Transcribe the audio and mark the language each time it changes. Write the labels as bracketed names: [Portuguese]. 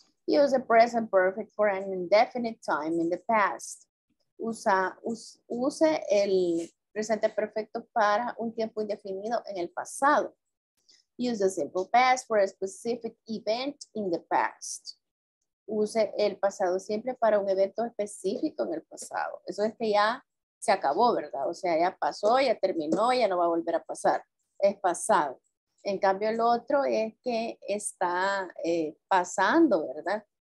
[English] Use the present perfect for an indefinite time in the past. [Spanish] Use el presente perfecto para un tiempo indefinido en el pasado. [English] Use the simple past for a specific event in the past. [Spanish] Use el pasado simple para un evento específico en el pasado. Eso es que ya se acabó, ¿verdad? O sea, ya pasó, ya terminó, ya no va a volver a pasar. Es pasado. En cambio, el otro es que está pasando, ¿verdad?